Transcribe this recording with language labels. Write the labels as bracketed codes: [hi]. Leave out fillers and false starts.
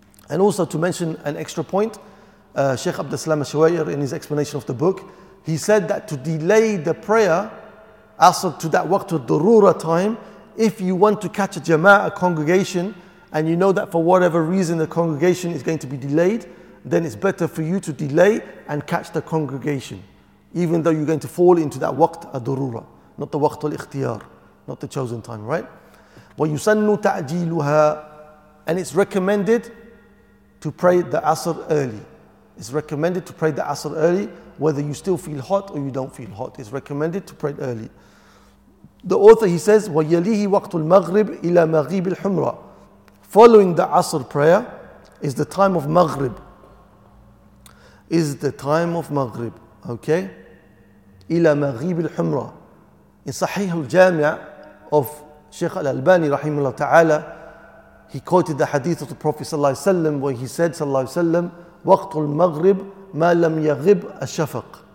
[en] And also to mention an extra point, Sheikh Abdul Salam Al-Shawayr in his explanation of the book, he said that to delay the prayer, Asr, to that waqt al-durura time, if you want to catch a jama'ah, a congregation, and you know that for whatever reason the congregation is going to be delayed, then it's better for you to delay and catch the congregation, even though you're going to fall into that waqt al-durura, not the waqt al-ikhtiyar, not the chosen time, right? [ar] وَيُسَنُّ تَعْجِيلُهَا. [en] And it's recommended to pray the Asr early. It's recommended to pray the Asr early, whether you still feel hot or you don't feel hot. It's recommended to pray early. The author, he says, [ar] وَيَلِيهِ وَقْتُ الْمَغْرِبِ إِلَى مَغْرِبِ الْحُمْرَةِ. [en] Following the Asr prayer is the time of Maghrib. Is the time of Maghrib, okay? [ar] إِلَى مَغْرِبِ الْحُمْرَةِ. [en] In Sahih al-Jami' of Shaykh al-Albani, rahimahullah ta'ala, he quoted the hadith of the Prophet sallallahu alayhi wa sallam, where he said, sallallahu alayhi wa sallam, [ar] وقت المغرب ما لم يغب الشفق.